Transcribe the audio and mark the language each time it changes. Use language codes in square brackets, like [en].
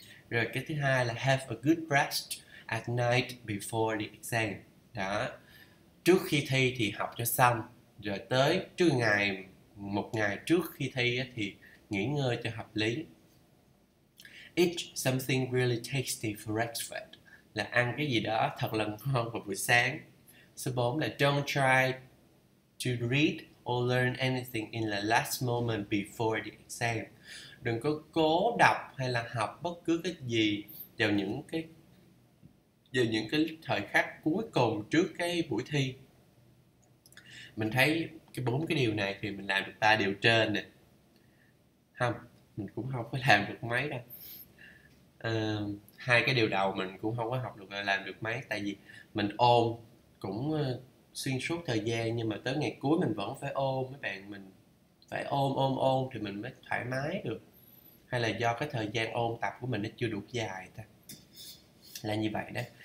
[vi] Rồi cái thứ hai là [en] have a good rest at night before the exam. [vi] Đó. Trước khi thi thì học cho xong, rồi tới trước ngày một ngày trước khi thi thì nghỉ ngơi cho hợp lý. [en] Eat something really tasty for breakfast. [vi] Là ăn cái gì đó thật là ngon vào buổi sáng. Số 4 là [en] don't try to read or learn anything in the last moment before the exam. [vi] Đừng có cố đọc hay là học bất cứ cái gì vào những cái thời khắc cuối cùng trước cái buổi thi. Mình thấy cái bốn cái điều này thì mình làm được ba điều trên nè. Không, mình cũng không có làm được mấy đâu. Hai cái điều đầu mình cũng không có học được là làm được mấy, tại vì mình ôn cũng xuyên suốt thời gian nhưng mà tới ngày cuối mình vẫn phải ôn, mấy bạn mình phải ôn ôn ôn thì mình mới thoải mái được, hay là do cái thời gian ôn tập của mình nó chưa đủ dài ta, là như vậy đó.